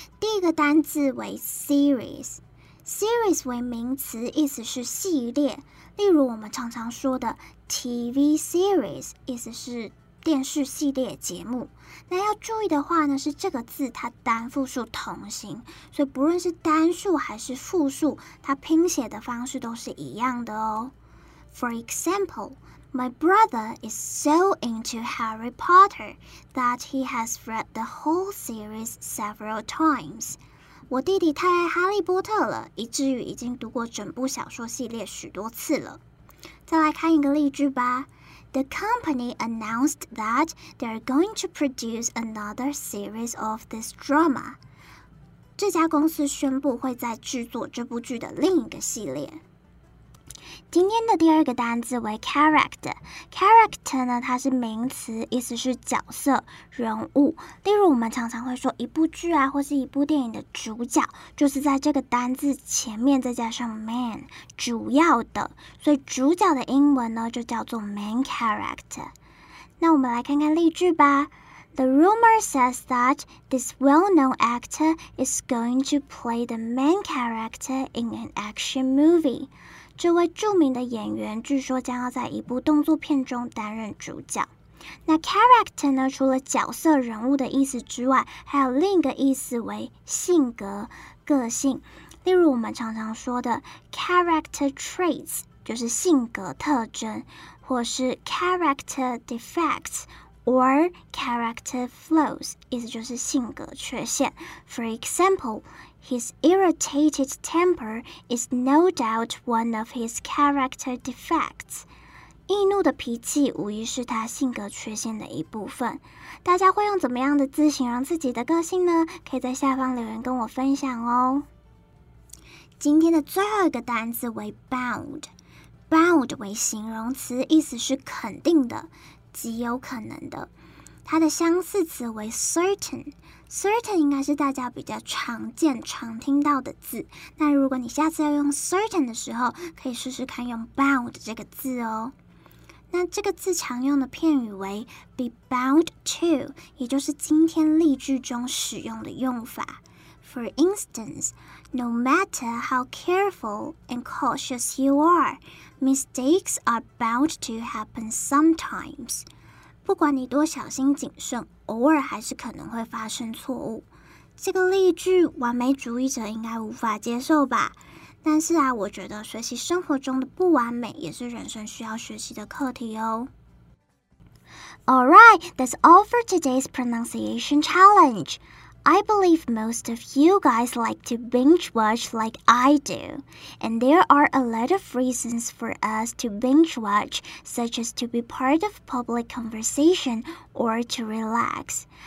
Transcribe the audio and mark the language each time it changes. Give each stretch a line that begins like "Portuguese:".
Chinese: 第一个单字为 series， series 为名词，意思是系列，例如我们常常说的 TV series 意思是电视系列节目。那要注意的话呢，是这个字它单复数同形，所以不论是单数还是复数，它拼写的方式都是一样的哦。
English: For example, my brother is so into Harry Potter that he has read the whole series several times.
Chinese: 我弟弟太爱哈利波特了，以至于已经读过整部小说系列许多次了。再来看一个例句吧。
English: The company announced that they are going to produce another series of this drama.
Chinese: 这家公司宣布会在制作这部剧的另一个系列。今天的第二个单字为 character。character 呢，它是名词，意思是角色、人物。例如，我们常常会说一部剧啊，或是一部电影的主角，就是在这个单字前面再加上 man， 主要的。所以主角的英文呢，就叫做 main character。那我们来看看例句吧。
English: The rumor says that this well-known actor is going to play the main character in an action movie.
Chinese: 这位著名的演员据说将要在一部动作片中担任主角。那 character 呢，除了角色人物的意思之外，还有另一个意思为性格、个性。例如我们常常说的 character traits 就是性格特征，或是 character defects or character flaws，意思就是性格缺陷。
English: For example,His irritated temper is no doubt one of his character defects.
Chinese: 易怒的脾气无疑是他性格缺陷的一部分。大家会用怎么样的字形容自己的个性呢？可以在下方留言跟我分享哦。今天的最后一个单字为 bound。bound 为形容词，意思是肯定的，极有可能的。它的相似词为 certain。Certain 应该是大家比较常见常听到的字，那如果你下次要用 certain 的时候，可以试试看用 bound 这个字哦。那这个字常用的片语为 be bound to， 也就是今天例句中使用的用法。
English: For instance, no matter how careful and cautious you are, mistakes are bound to happen sometimes.
Chinese: 不管你多小心谨慎，偶尔还是可能会发生错误。这个例句，完美主义者应该无法接受吧？但是啊，我觉得学习生活中的不完美也是人生需要学习的课题哦。
English: Alright, that's all for today's pronunciation challenge. I believe most of you guys like to binge watch like I do. And there are a lot of reasons for us to binge watch, such as to be part of public conversation or to relax.